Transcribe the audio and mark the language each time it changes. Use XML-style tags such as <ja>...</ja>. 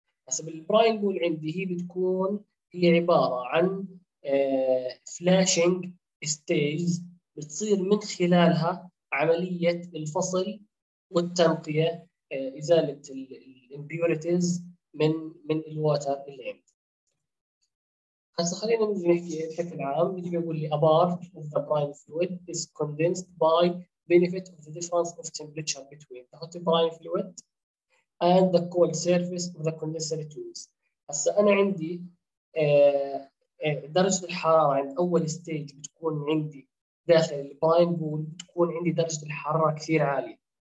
<ar>هسه بالبراين بول عندي هي بتكون هي عبارة عن فلاشنج ستيج بتصير من خلالها عملية الفصل والتنقية إزالة الإمبيوريتيز من الواتر اللي عندي. هسا خلينا نحكي بشكل عام، بيجي بيقول لي</ar> <en>apart of the prime fluid is condensed by benefit of the difference of temperature between the hot prime fluid and the cold surface of the condenser tubes.</en> <ar>هسا أنا عندي درجة الحرارة عند أول ستيج بتكون عندي داخل البراين بول تكون عندي درجة الحرارة كثير عالية.</ar>